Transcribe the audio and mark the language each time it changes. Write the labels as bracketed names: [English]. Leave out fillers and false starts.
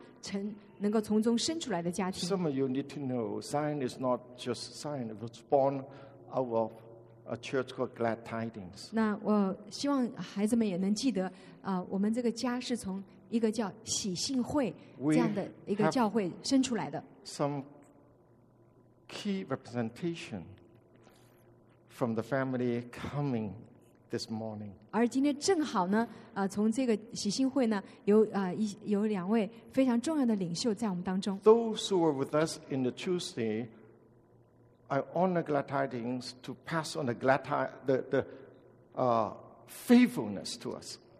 [Chinese] 那我也没有办法不来感谢，让西安这个家成能够从中生出来的家庭。 [English] Some of you need to know Zion is not just Zion; it was born out of a church called Glad Tidings. [Chinese] 那我希望孩子们也能记得, 我们这个家是从一个叫喜信会这样的一个教会生出来的。 [English] Some key representation from the family coming this morning. [Chinese] 而今天正好呢, 从这个喜信会呢, 有, 有两位非常重要的领袖在我们当中。 [English] Those who were with us in the Tuesday, I honor Glad Tidings to pass on the glad faithfulness to us.